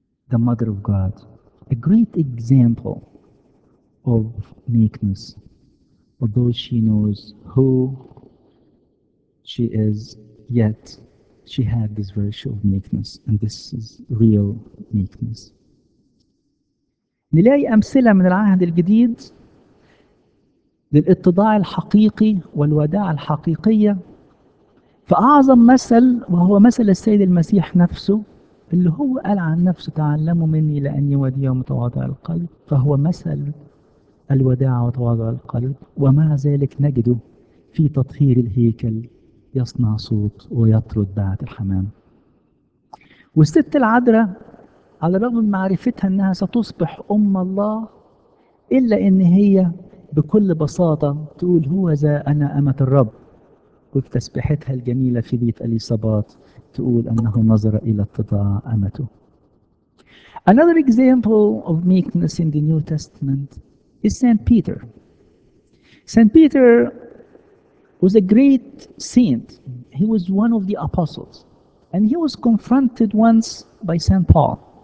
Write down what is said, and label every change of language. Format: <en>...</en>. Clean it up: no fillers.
<en>the mother of God, a great example of meekness, although she knows who she is, yet she had this virtue of meekness, and this is real meekness.</en> <ar>نلاقي أمثلة من العهد الجديد للاتضاع الحقيقي والوداع الحقيقية. فأعظم مثل, وهو مثل السيد المسيح نفسه اللي هو قال عن نفسه: تعلموا مني لأني وديع ومتواضع القلب. فهو مثل الوداع وتواضع القلب, ومع ذلك نجده في تطهير الهيكل يصنع صوت ويطرد باعة الحمام. والست العذراء على الرغم من معرفتها أنها ستصبح أم الله, إلا أن هي بكل بساطة تقول: هو ذا أنا أمة الرب. وفي تسبيحتها الجميلة في بيت أليصابات تقول أنه نظر إلى اتضاع أمته.</ar> <en>Another example of meekness in the New Testament is Saint Peter. Saint Peter was a great saint. He was one of the apostles. And he was confronted once by Saint Paul.</en>